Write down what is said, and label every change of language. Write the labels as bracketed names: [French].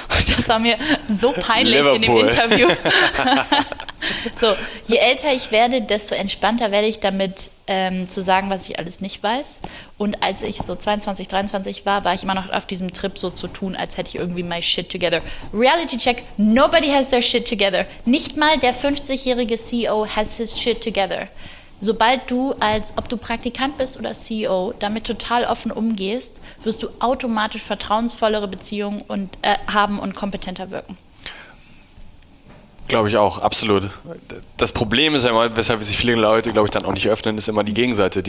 [German] Und das war mir so peinlich Liverpool. In dem Interview. So, je älter ich werde, desto entspannter werde ich damit, zu sagen, was ich alles nicht weiß. Und als ich so 22, 23 war, war ich immer noch auf diesem Trip so zu tun, als hätte ich irgendwie [English] my shit together. Reality check, nobody has their shit together. [German] Nicht mal der 50-jährige CEO [English] has his shit together. [German] Sobald du, als ob du Praktikant bist oder CEO, damit total offen umgehst, wirst du automatisch vertrauensvollere Beziehungen haben und kompetenter wirken. Glaube ich auch, absolut. Das Problem ist ja immer, weshalb sich viele Leute, glaube ich, dann auch nicht öffnen, ist immer die Gegenseite.